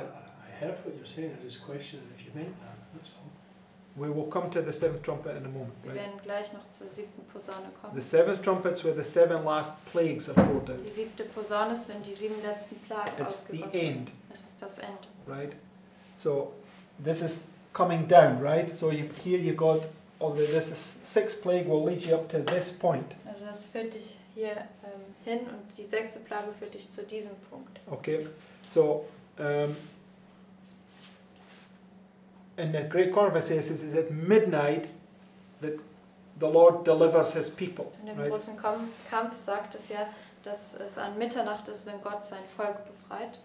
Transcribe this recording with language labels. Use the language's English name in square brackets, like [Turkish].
[English] I heard what you're saying. I just questioned if you meant that. That's all. We will come to the seventh trumpet in a moment. [German] Wir werden gleich noch zur siebten Posaune kommen. [English] The seventh trumpet's where the seven last plagues are poured out. [German] Die siebte Posaune ist, wenn die sieben letzten Plagen ausgegossen werden. [English] It's the end. [German] Es ist das Ende. [English] Right. So, this is coming down, right? So you, here you got, although this is sixth plague will lead you up to this point. [German] Also das führt dich hier hin, und die sechste Plage führt dich zu diesem Punkt. [English] Okay, so in the Great Controversy it is at midnight that the Lord delivers his people. [German] In dem großen Kampf sagt es ja, dass es an Mitternacht ist, wenn Gott sein Volk befreit.